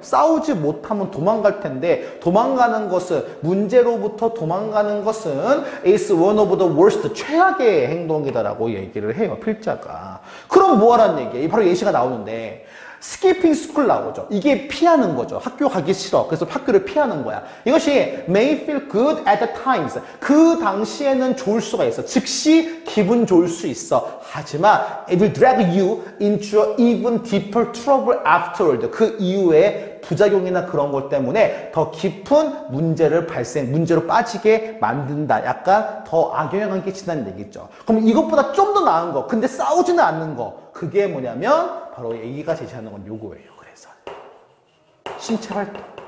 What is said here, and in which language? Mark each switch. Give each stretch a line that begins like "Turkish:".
Korean: 싸우지 못하면 도망갈 텐데, 도망가는 것은, 문제로부터 도망가는 것은
English: is one of the worst,
Korean: 최악의 행동이다라고 얘기를 해요, 필자가. 그럼 뭐 하라는 얘기예요? 바로 예시가 나오는데
English: skipping school
Korean: 나오죠. 이게 피하는 거죠. 학교 가기 싫어. 그래서 학교를 피하는 거야. 이것이
English: may feel good at the times.
Korean: 그 당시에는 좋을 수가 있어. 즉시 기분 좋을 수 있어. 하지만
English: it will drag you into even deeper trouble afterward.
Korean: 그 이후에 부작용이나 그런 것 때문에 더 깊은 문제로 빠지게 만든다. 약간 더 악영향을 끼친다는 얘기죠. 그럼 이것보다 좀 더 나은 거, 근데 싸우지는 않는 거, 그게 뭐냐면 바로 얘기가 제시하는 건 요거예요. 그래서 신체 활동.